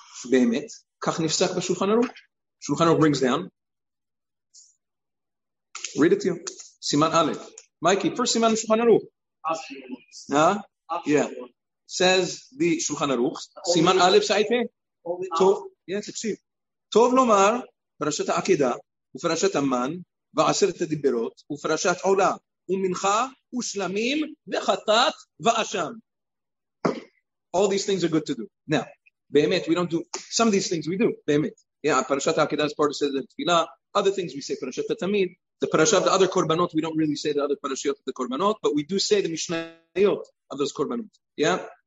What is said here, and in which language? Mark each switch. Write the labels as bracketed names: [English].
[Hebrew] Be'emet, kach nifsak b'Shulchan Aruch. [English] Shulchan Aruch brings down. Read it to you. Siman Aleph. Mikey, first Siman of Shulchan Aruch. Huh? Yeah. Says the Shulchan Aruch. Siman Aleph Sa'ifeh. Tov, yeah, תקשיב. [Hebrew] Tov lomar, פרשת העקידה, ופרשת המן, ועשרת הדיברות, ופרשת עולה, ומנחה, ושלמים, וחטאת, ואשם. [English] All these things are good to do. Now, באמת, we don't do, some of these things we do, באמת. Yeah, פרשת העקידה is part of the תפילה. Other things we say, פרשת התמיד. The פרשת, the other קורבנות, we don't really say the other פרשיות of the קורבנות, but we do say the משניות of those קורבנות. Yeah?